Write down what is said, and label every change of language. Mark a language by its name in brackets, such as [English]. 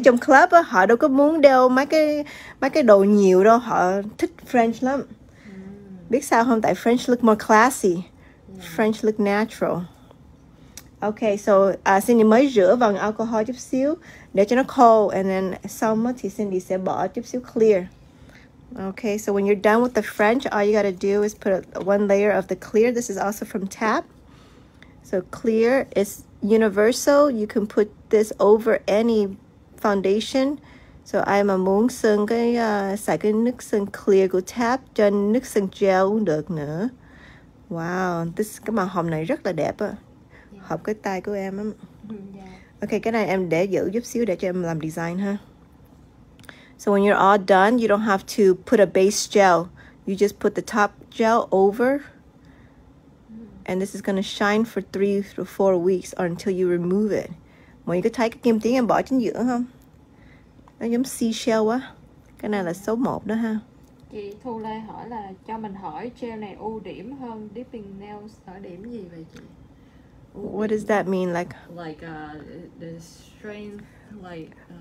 [Vietnamese] trong club á, họ đâu có muốn đeo mấy cái đồ nhiều đâu, họ thích French lắm. Biết sao không? Tại [English] French look more classy. Yeah. French look natural. [Vietnamese] Okay, so Cindy mới rửa bằng alcohol chút xíu để cho nó khô, and then xong thì Cindy sẽ bỏ chút xíu clear. [English] Okay, so when you're done with the French, all you gotta do is put one layer of the clear. This is also from Tap. So clear is universal. You can put this over any foundation. [Vietnamese] So I'm a muốn sơn cái xài cái nước sơn clear của Tap cho nước sơn gel cũng được nữa. Wow, this cái màu hồng này rất là đẹp á. Hợp cái tay của em á. Yeah. Okay, cái này em để giữ giúp xíu để cho em làm design ha. [English] So when you're all done, you don't have to put a base gel. You just put the top gel over. And this is going to shine for 3 to 4 weeks or until you remove it. [Vietnamese] Mọi người có thấy cái kim tiếng em bỏ trên giữa không? Nó giống seashell quá. Cái này là số 1 đó ha. Chị Thu Lê hỏi là cho mình hỏi gel này ưu điểm hơn dipping nails ở điểm gì vậy chị? [English] What does that mean? Like the strength, like